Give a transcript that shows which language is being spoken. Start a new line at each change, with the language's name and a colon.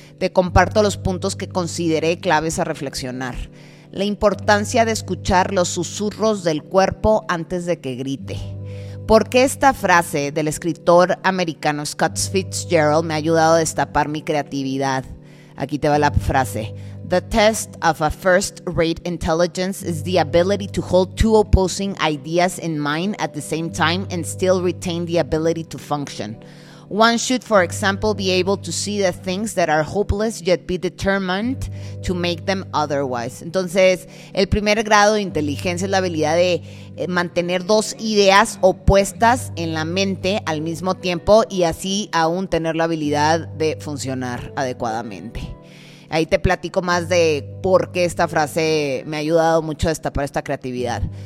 Spanish: Te comparto los puntos que consideré claves a reflexionar. La importancia de escuchar los susurros del cuerpo antes de que grite. ¿Por qué esta frase del escritor americano Scott Fitzgerald me ha ayudado a destapar mi creatividad? Aquí te va la frase.
English: The test of a first-rate intelligence is the ability to hold two opposing ideas in mind at the same time and still retain the ability to function. One should, for example, be able to see the things that are hopeless yet be determined to make them otherwise.
Spanish: Entonces, el primer grado de inteligencia es la habilidad de mantener dos ideas opuestas en la mente al mismo tiempo y así aún tener la habilidad de funcionar adecuadamente. Ahí te platico más de por qué esta frase me ha ayudado mucho a destapar esta creatividad.